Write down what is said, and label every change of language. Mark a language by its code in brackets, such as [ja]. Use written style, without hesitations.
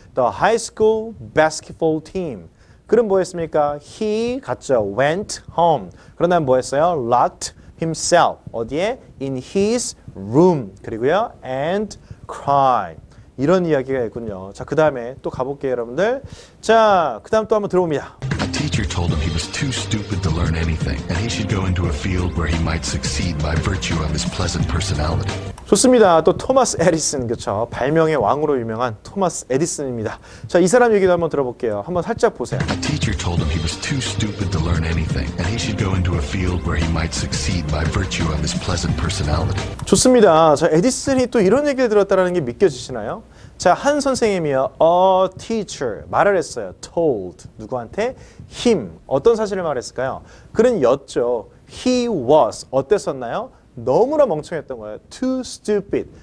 [en] The high school basketball team. [ko] 그럼 뭐 했습니까? [en] He [ko] 갔죠. [en] Went home. [ko] 그런 다음 뭐 했어요? [en] Locked himself. [ko] 어디에? [en] In his room. [ko] 그리고요. [en] And cry. [ko] 이런 이야기가 있군요. 자, 그 다음에 또 가볼게요, 여러분들. 자, 그 다음 또 한번 들어봅니다. [en] The teacher told him he was too stupid to learn anything and he should go into a field where he might succeed by virtue of his pleasant personality. [ko] 좋습니다. 또 토마스 에디슨, 그렇죠? 발명의 왕으로 유명한 토마스 에디슨입니다. 자, 이 사람 얘기도 한번 들어볼게요. 한번 살짝 보세요. [en] The teacher told him he was too stupid to learn anything and he should go into a field where he might succeed by virtue of his pleasant personality. [ko] 좋습니다. 자, 에디슨이 또 이런 얘기를 들었다라는 게 믿겨지시나요? 자, 한 선생님이요. [en] A teacher. [ko] 말을 했어요. [en] Told. [ko] 누구한테? [en] Him. [ko] 어떤 사실을 말했을까요? 그는 였죠. [en] He was. [ko] 어땠었나요? 너무나 멍청했던 거예요. [en] Too stupid.